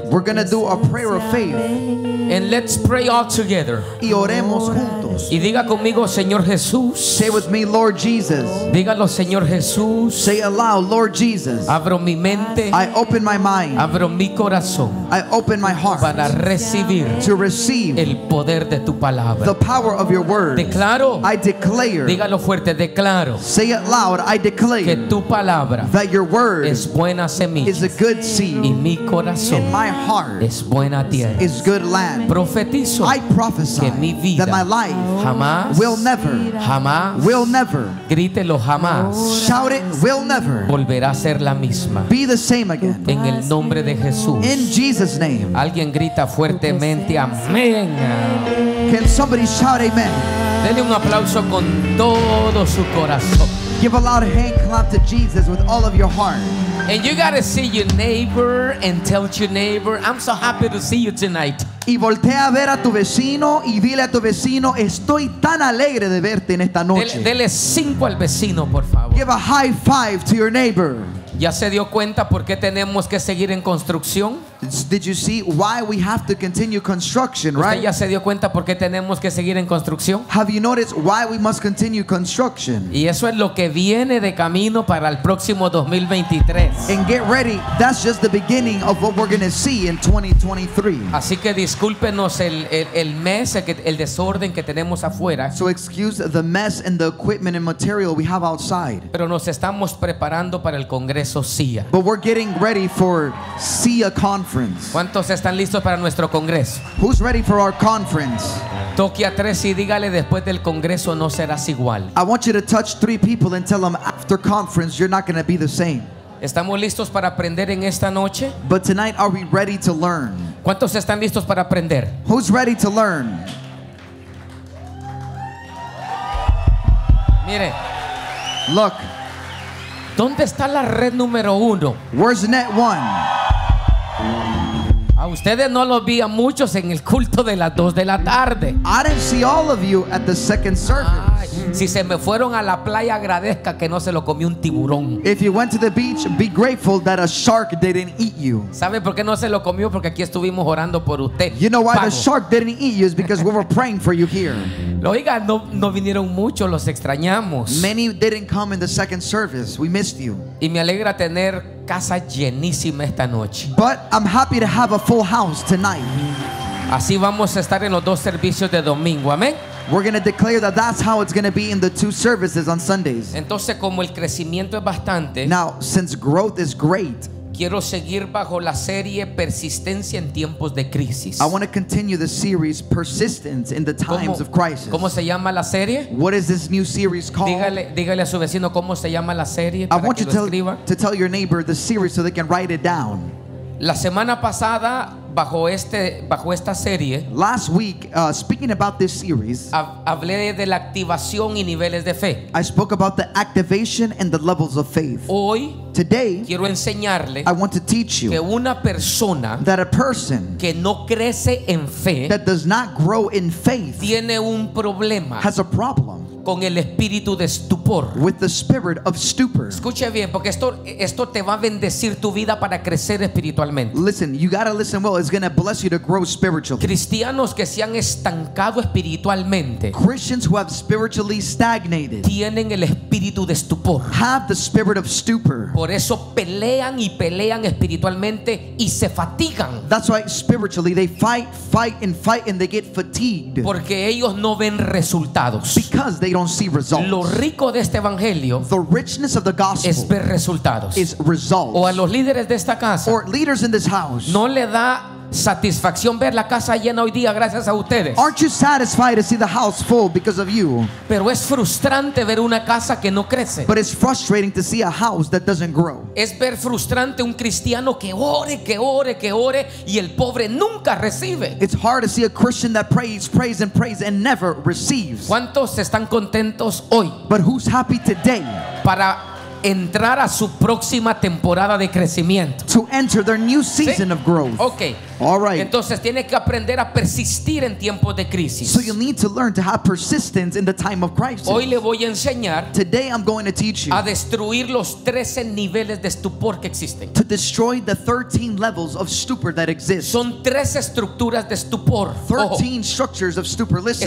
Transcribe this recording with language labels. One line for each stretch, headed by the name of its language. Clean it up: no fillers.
English: We're going to do a prayer of faith. And let's pray all together.
Spanish: Y oremos juntos. Y diga conmigo, Señor Jesús.
English: Say with me, Lord Jesus.
Spanish: Dígalo, Señor Jesús.
English: Say aloud, Lord Jesus.
Spanish: Abro mi mente.
English: I open my mind.
Spanish: Abro mi corazón.
English: I open my heart.
Spanish: Para recibir.
English: To receive.
Spanish: El poder de tu palabra.
English: The power of your word.
Spanish: Declaro.
English: I declare.
Spanish: Dígalo fuerte, declaro.
English: Say it loud, I declare.
Spanish: Que tu palabra.
English: That your word.
Spanish: Es buena semilla.
English: Is a good seed.
Spanish: Y mi corazón.
English: And my heart.
Spanish: Es buena tierra.
English: Is good land.
Spanish: Profetizo
English: I prophesy
Spanish: que mi vida
English: that my life
Spanish: jamás
English: will never,
Spanish: jamás
English: will never,
Spanish: grítelo jamás,
English: shout it, will never,
Spanish: volverá a ser la misma,
English: be the same again,
Spanish: en el nombre de Jesús,
English: in Jesus' name.
Spanish: Alguien grita fuertemente, amén.
English: Can somebody shout amen?
Spanish: Dele un aplauso con todo su corazón.
English: Give a loud hand clap to Jesus with all of your heart. And you gotta see your neighbor and tell your neighbor, I'm so happy to see you tonight.
Spanish: Y voltea a ver a tu vecino y dile a tu vecino, estoy tan alegre de verte en esta noche. Dele cinco al vecino, por favor.
English: Give a high five to your neighbor.
Spanish: ¿Ya se dio cuenta por qué tenemos que seguir en construcción?
English: Did you see why we have to continue construction,
Spanish: ¿usted
English: right?
Spanish: ¿Ya se dio cuenta por qué tenemos que seguir en construcción?
English: Have you noticed why we must continue construction?
Spanish: Y eso es lo que viene de camino para el próximo 2023.
English: And get ready, that's just the beginning of what we're going to see in 2023.
Spanish: Así que discúlpenos el mess, el desorden que tenemos afuera.
English: So excuse the mess and the equipment and material we have outside.
Spanish: Pero nos estamos preparando para el Congreso CIA.
English: But we're getting ready for CIA conference.
Spanish: ¿Cuántos están listos para nuestro congreso?
English: Who's ready for our conference?
Spanish: Toque a tres y dígale después del congreso no serás igual.
English: I want you to touch three people and tell them after conference you're not going to be the same.
Spanish: ¿Estamos listos para aprender en esta noche?
English: But tonight are we ready to learn?
Spanish: ¿Cuántos están listos para aprender?
English: Who's ready to learn?
Spanish: Mire.
English: Look.
Spanish: ¿Dónde está la red número uno?
English: Where's net one?
Spanish: A ustedes no los vi a muchos en el culto de las 2 de la tarde.
English: I didn't see all of you at the second service.
Spanish: Ay, si se me fueron a la playa, agradezca que no se lo comió un tiburón.
English: If you went to the beach, be grateful that a shark didn't eat you.
Spanish: ¿Sabe por qué no se lo comió? Porque aquí estuvimos orando por usted.
English: You know why Pago. The shark didn't eat you is because we were praying for you here.
Spanish: Oiga, no vinieron muchos, los extrañamos.
English: Many didn't come in the second service. We missed you.
Spanish: Y me alegra tener casa llenísima esta noche.
English: But I'm happy to have a full house tonight.
Spanish: Así vamos a estar en los dos servicios de domingo, amén.
English: We're going to declare that that's how it's going to be in the two services on Sundays.
Spanish: Entonces, como el crecimiento es bastante,
English: now, since growth is great,
Spanish: Quiero seguir bajo la serie Persistencia en tiempos de crisis.
English: I want to continue the series Persistence in the times of crisis.
Spanish: ¿Cómo se llama la serie?
English: What is this new series called?
Spanish: Dígale a su vecino cómo se llama la serie para que lo escriba.
English: I want you to tell your neighbor the series so they can write it down.
Spanish: La semana pasada bajo esta serie,
English: last week, speaking about this series,
Spanish: hablé de la activación y niveles de fe.
English: I spoke about the activation and the levels of faith.
Spanish: Hoy,
English: today,
Spanish: quiero enseñarle,
English: I want to teach you,
Spanish: que una persona,
English: that a person,
Spanish: que no crece en fe,
English: that does not grow in faith,
Spanish: tiene un problema,
English: has a problem,
Spanish: con el espíritu de estupor,
English: with the spirit of stupor.
Spanish: Escuche bien, porque esto te va a bendecir tu vida para crecer espiritualmente.
English: Listen, you gotta listen well. It's gonna bless you to grow spiritually.
Spanish: Cristianos que se han estancado espiritualmente,
English: Christians who have spiritually stagnated,
Spanish: tienen el espíritu de estupor,
English: have the spirit of stupor.
Spanish: Por eso pelean y pelean espiritualmente y se fatigan.
English: That's why spiritually they fight and they get fatigued.
Spanish: Porque ellos no ven resultados.
English: Because they don't see results.
Spanish: Lo rico de este evangelio,
English: the richness of the gospel,
Spanish: es ver resultados,
English: is results.
Spanish: O a los líderes de esta casa,
English: or leaders in this house,
Spanish: no le da satisfacción ver la casa llena hoy día gracias a ustedes.
English: Aren't you satisfied to see the house full because of you?
Spanish: Pero es frustrante ver una casa que no crece.
English: But it's frustrating to see a house that doesn't grow.
Spanish: Es ver frustrante un cristiano que ore, que ore, que ore y el pobre nunca recibe.
English: It's hard to see a Christian that prays and never receives.
Spanish: ¿Cuántos están contentos hoy?
English: But who's happy today?
Spanish: Para entrar a su próxima temporada de crecimiento.
English: To enter their new season,
Spanish: ¿sí?,
English: of growth. Okay. All right.
Spanish: Entonces tiene que aprender a persistir en tiempos de crisis.
English: So you need to learn to have persistence in the time of crisis.
Spanish: Hoy le voy a enseñar.
English: Today I'm going to teach you.
Spanish: A destruir los 13 niveles de estupor que existen.
English: To destroy the 13 levels of stupor that exist.
Spanish: Son 13 estructuras de estupor.
English: 13 structures of stupor. Listen.